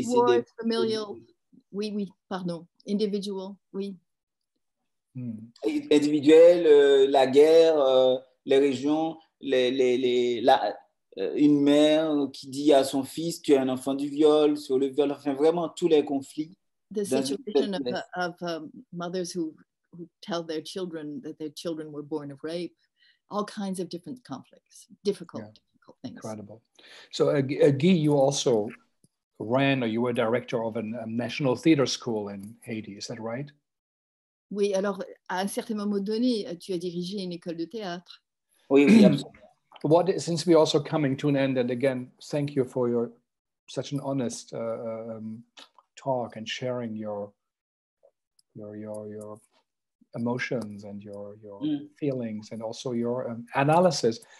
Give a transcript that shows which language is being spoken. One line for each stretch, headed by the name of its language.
French: Et war, c'est des... familial, oui, oui, pardon, individual, oui. Individuel, la guerre, les régions, une mère qui dit à son fils tu es un enfant du viol, sur le viol, enfin vraiment tous les conflits.
English: The situation of mothers who tell their children that their children were born of rape, all kinds of different conflicts, difficult things. Incredible. So Guy, you also ran, or you were director of a national theater school in Haiti, is that right?
French: Oui, alors à un certain moment donné, tu as dirigé une école de théâtre. Oui, oui, absolument.
English: What, since we're also coming to an end, and again, thank you for your such an honest talk and sharing your emotions and your feelings and also your analysis.